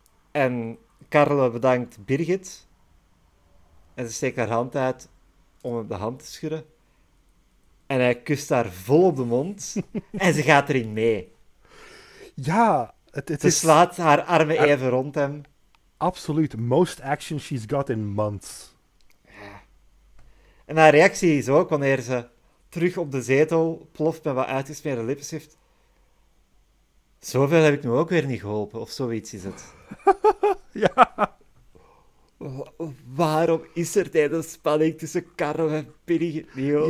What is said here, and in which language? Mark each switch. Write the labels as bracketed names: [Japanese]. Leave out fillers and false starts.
[Dutch] En Carlo bedankt Birgit. En ze steekt haar hand uit om hem de hand te schudden. En hij kust haar vol op de mond. En ze gaat erin mee. Ja. Ze slaat haar armen even rond hem. Absoluut. [English] Most action she's got in months. [Dutch] Ja. En haar reactie is ook wanneer ze terug op de zetel ploft met wat uitgesmeerde lippenstift. Zoveel heb ik nu ook weer niet geholpen. Of zoiets is het. Ja. Waarom is er deze spanning tussen Carlo en Birgit Niels?